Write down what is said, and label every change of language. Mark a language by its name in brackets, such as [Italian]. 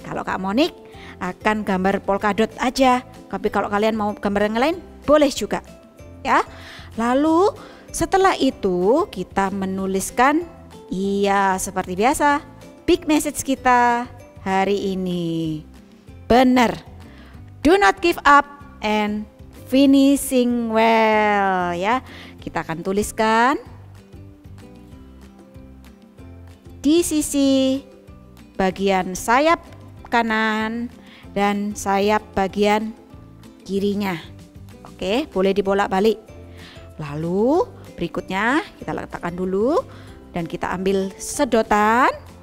[Indonesian] Kalau Kak Monik akan gambar polkadot aja. Tapi kalau kalian mau gambar yang lain boleh juga. Ya. Lalu setelah itu kita menuliskan, iya seperti biasa, big message kita hari ini. Benar. [English] Do not give up and finishing well, ya. [Indonesian] Kita akan tuliskan di sisi bagian sayap kanan dan sayap bagian kirinya. Oke, boleh dibolak-balik. Lalu berikutnya kita letakkan dulu dan kita ambil sedotan.